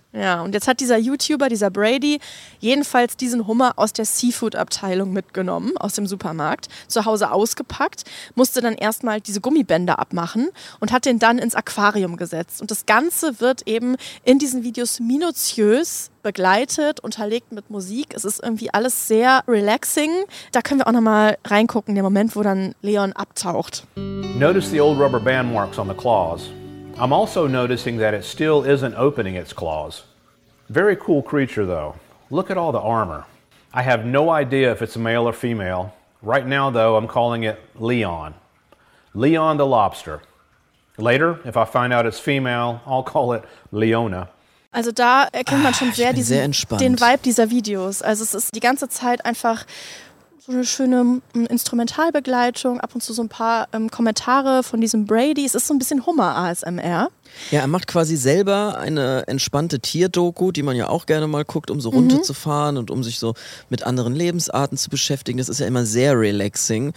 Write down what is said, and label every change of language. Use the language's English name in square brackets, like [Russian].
[German] Ja, und jetzt hat dieser YouTuber, dieser Brady, jedenfalls diesen Hummer aus der Seafood-Abteilung mitgenommen, aus dem Supermarkt, zu Hause ausgepackt, musste dann erstmal diese Gummibänder abmachen und hat den dann ins Aquarium gesetzt. Und das Ganze wird eben in diesen Videos minutiös begleitet, unterlegt mit Musik. Es ist irgendwie alles sehr relaxing. Da können wir auch nochmal reingucken, der Moment, wo dann Leon abtaucht. [English] Notice the old rubber band marks on the claws. I'm also noticing that it still isn't opening its claws. Very cool creature, though. Look at all the armor. I have no idea if it's a male or female. Right now, though, I'm calling it Leon. Leon the lobster. Later, if I find out it's female, I'll call it Leona. [German] Also da erkennt man schon sehr, diesen, sehr entspannt, den Vibe dieser Videos. Also es ist die ganze Zeit einfach so eine schöne Instrumentalbegleitung, ab und zu so ein paar Kommentare von diesem Brady. Es ist so ein bisschen Hummer ASMR. Ja, er macht quasi selber eine entspannte Tierdoku, die man ja auch gerne mal guckt, um so runterzufahren und um sich so mit anderen Lebensarten zu beschäftigen. Das ist ja immer sehr relaxing.